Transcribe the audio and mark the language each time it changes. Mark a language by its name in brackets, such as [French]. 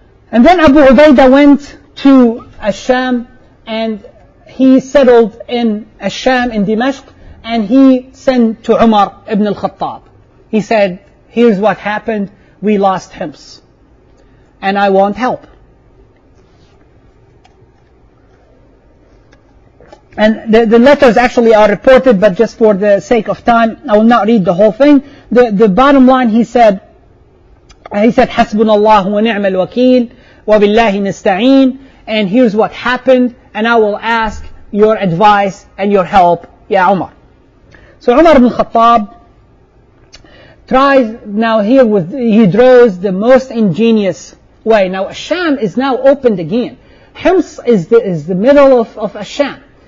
[English] And then Abu Ubaidah went to Asham, and he settled in Asham in Dimashq, and he sent to Umar ibn al-Khattab. He said, here's what happened, we lost Homs, and I want help. And the letters actually are reported, but just for the sake of time, I will not read the whole thing. The bottom line, he said, [Arabic] حَسْبُنَ اللَّهُ وَنِعْمَ الْوَكِيلُ وَبِاللَّهِ نَسْتَعِينُ. [English] And here's what happened, and I will ask your advice and your help, Ya Umar. So Umar ibn Khattab tries now here with, he draws the most ingenious way. Now Asham is now opened again. Homs is the middle of Asham.